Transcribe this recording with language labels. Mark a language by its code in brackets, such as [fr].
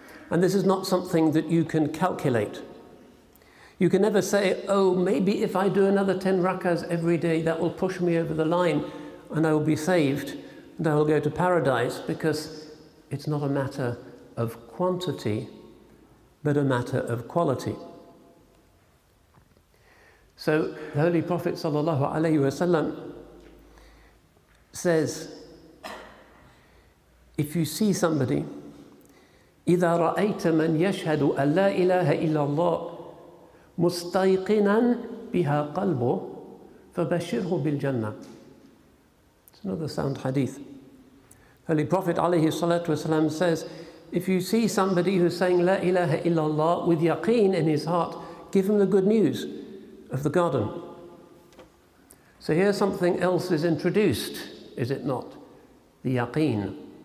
[en] And this is not something that you can calculate. You can never say, "Oh, maybe if I do another 10 rakahs every day, that will push me over the line and I will be saved and I will go to paradise," because it's not a matter of quantity, but a matter of quality. So the Holy Prophet sallallahu alaihi wasallam says, if you see somebody, [ar] إِذَا رَأَيْتَ مَنْ يَشْهَدُ أَنْ لَا إِلَهَ إِلَّا اللَّهُ مُسْتَيْقِنًا بِهَا قَلْبُهُ فَبَشِّرْهُ بِالْجَنَّةِ. [en] It's another sound hadith. Holy Prophet alayhi salatu wasalam says, if you see somebody who's saying La ilaha illallah with yaqeen in his heart, give him the good news of the garden. So here something else is introduced, is it not? The yaqeen.